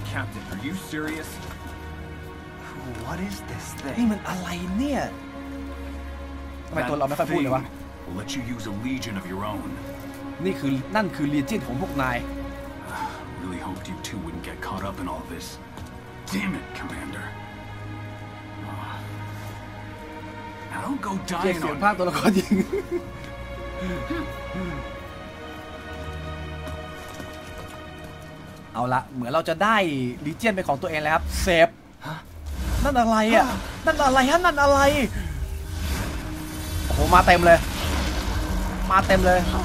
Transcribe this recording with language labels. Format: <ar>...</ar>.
<en>Captain are you serious What is this thing</en> <th>นี่มันอะไรเนี่ยทำไมตัวเราไม่ค่อยพูดเลยวะ</th> <en>Let you use a legion of your own</en> <th>นี่คือนั่นคือลีเจียนของพวกนาย</th> <en>Really hoped you two wouldn't get caught up in all this Damn it commander</en> <th>เสียงภาพตัวละครจริงเอาละเหมือนเราจะได้ลีเจียนเป็นของตัวเองแล้วครับเซฟนั่นอะไรอ่ะนั่นอะไรฮะนั่นอะไรโอ้มาเต็มเลยมาเต็มเลย</th>